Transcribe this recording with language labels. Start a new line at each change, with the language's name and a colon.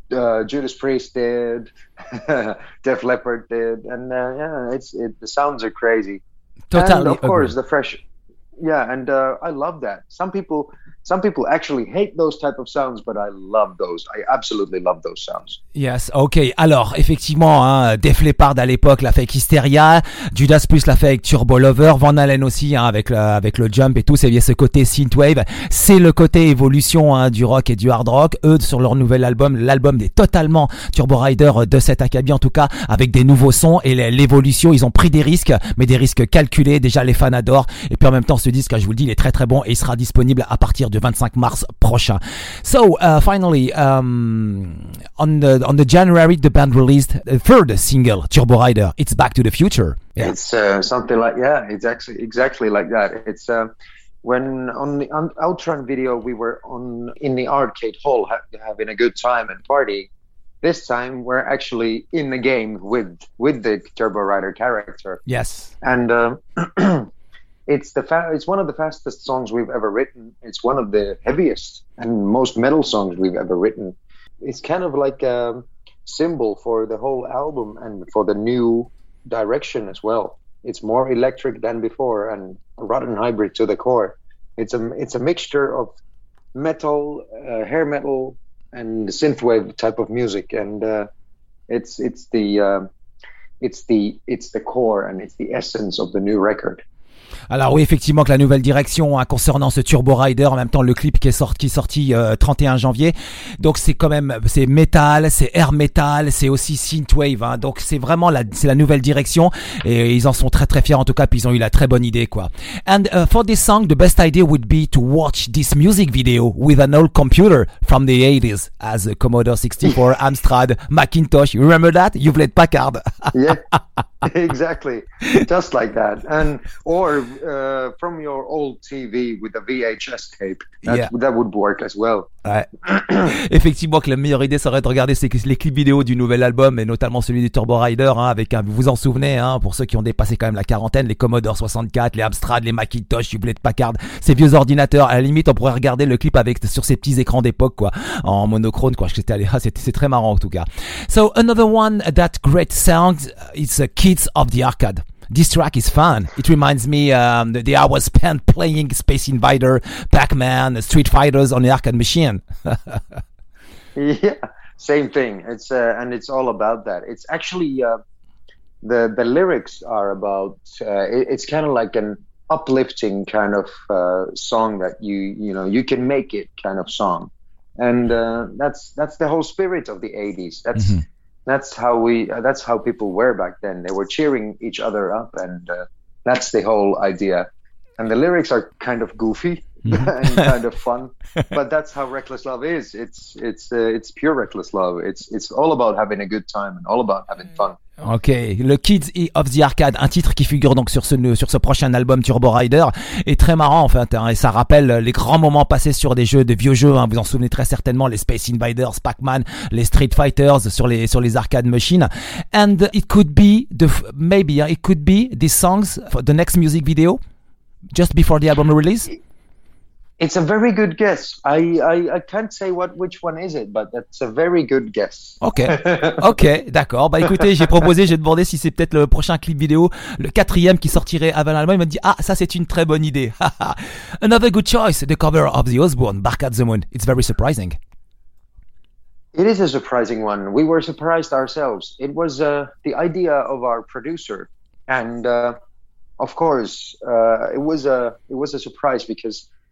English: Judas Priest did. Def Leppard did. And the sounds are crazy. Totally. And of course, the fresh. Yeah, and I love that. Some people actually hate those type of sounds, but I love those. I absolutely love those sounds. Yes, okay.
French: Alors, effectivement, hein, Def Leppard à l'époque l'a fait avec Hysteria, Judas Priest l'a fait avec Turbo Lover, Van Halen aussi, hein, avec le Jump et tout, c'est bien ce côté synthwave. C'est le côté évolution, hein, du rock et du hard rock. Eux, sur leur nouvel album, l'album est totalement Turbo Rider de cet acabit, en tout cas, avec des nouveaux sons et l'évolution. Ils ont pris des risques, mais des risques calculés. Déjà, les fans adorent. Et puis, en même temps, ce disque, je vous le dis, il est très très bon et il sera disponible à partir du 25 mars prochain.
English: So finally, on the January, the band released the third single, Turbo Rider. It's Back to the Future. Yeah. It's something like exactly like that. It's when on the Outrun video, we were in the arcade hall having a good time and party. This time, we're actually in the game with the Turbo Rider character. Yes, and. It's one of the fastest songs we've ever written. It's one of the heaviest and most metal songs we've ever written. It's kind of like a symbol for the whole album and for the new direction as well. It's more electric than before and a rotten hybrid to the core. It's a mixture of metal, hair metal, and synthwave type of music. And it's the core and it's the essence of the new record.
French: Alors oui, effectivement, que la nouvelle direction, hein, concernant ce Turbo Rider, en même temps le clip qui est sorti 31 janvier. Donc c'est quand même, c'est metal, c'est air metal, c'est aussi synthwave, hein. Donc c'est vraiment c'est la nouvelle direction et ils en sont très très fiers, en tout cas, puis ils ont eu la très bonne idée, quoi.
English: And for this song, the best idea would be to watch this music video with an old computer from the 80s as a Commodore 64, Amstrad, Macintosh. You remember that? You played Packard. Yeah. Exactly. Just like that. And Or from your old TV with a VHS tape. That would work as well.
French: Ouais. Effectivement, que la meilleure idée serait de regarder les clips vidéo du nouvel album, et notamment celui du Turbo Rider, hein, avec un, vous vous en souvenez, hein, pour ceux qui ont dépassé quand même la quarantaine, les Commodore 64, les Amstrad, les Macintosh, les Hewlett-Packard, ces vieux ordinateurs. À la limite, on pourrait regarder le clip sur ces petits écrans d'époque, quoi, en monochrome, quoi. C'est très marrant, en tout cas.
English: So another one that great sounds, it's Kids of the Arcade. This track is fun. It reminds me the hours spent playing Space Invader, Pac-Man, Street Fighters on the arcade machine. Yeah, same thing. And it's all about that. It's actually the lyrics are about. It's kind of like an uplifting kind of song that you know you can make it kind of song, and that's the whole spirit of the 80s. That's how people were back then. They were cheering each other up, and that's the whole idea. And the lyrics are kind of goofy, and kind of fun. But that's how reckless love is. It's pure reckless love. It's all about having a good time and all about having fun.
French: Ok, le Kids of the Arcade, un titre qui figure donc sur ce prochain album Turbo Rider, est très marrant en fait, hein, et ça rappelle les grands moments passés sur des vieux jeux, hein, vous en souvenez très certainement, les Space Invaders, Pac-Man, les Street Fighters sur les arcade machines.
English: And it could be these songs for the next music video, just before the album release. It's a very good guess. I can't say which one is it, but that's a very good guess.
French: Ok, d'accord. Bah écoutez, j'ai demandé si c'est peut-être le prochain clip vidéo, le quatrième qui sortirait avant l'album. Il m'a dit, ah, ça c'est une très bonne idée.
English: Another good choice, the cover of The Osbournes, Bark at the Moon. It's very surprising. It is a surprising one. We were surprised ourselves. It was the idea of our producer. And of course, it was a surprise because...